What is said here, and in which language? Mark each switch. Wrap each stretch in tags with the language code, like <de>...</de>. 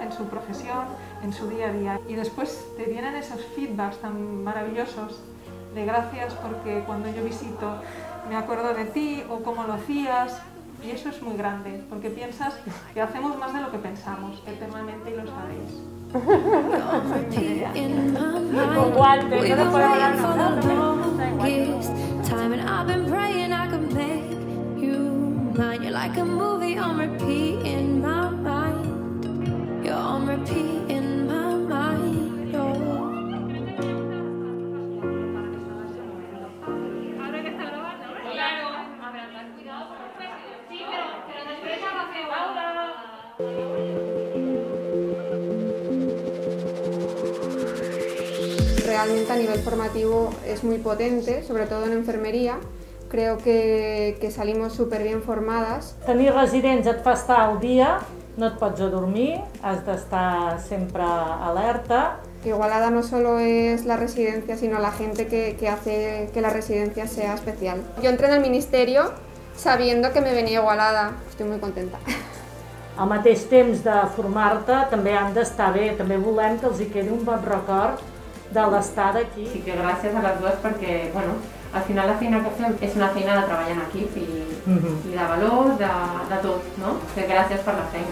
<es>En su profesión, en su día a día. Y después te vienen esos feedbacks tan maravillosos de gracias porque cuando yo visito me acuerdo de ti o cómo lo hacías. Y eso es muy grande, porque piensas que hacemos más de lo que pensamos eternamente y lo sabéis.</es> <en>Time and I've been praying I can make you mine. You're like a movie on repeat in my mind. You're on repeat in my mind.</en> <es>Realmente a nivel formativo es muy potente, sobre todo en enfermería. Creo que salimos súper bien formadas.</es> <ca>Tenir residents et fa estar al dia, no et pots adormir, has d'estar sempre alerta.</ca> <es>Igualada no solo es la residencia, sino la gente que hace que la residencia sea especial. Yo entré en el ministerio sabiendo que me venía Igualada. Estoy muy contenta.</es> <ca>Al mateix temps de formar-te també han d'estar bé, també volem que els hi quedi un bon record de l'estada aquí. Sí que gràcies a les dues perquè, bueno, al final la feina que fem és una feina de treballar en equip i, i de valor, de tot, no? Que gràcies per la feina.</ca>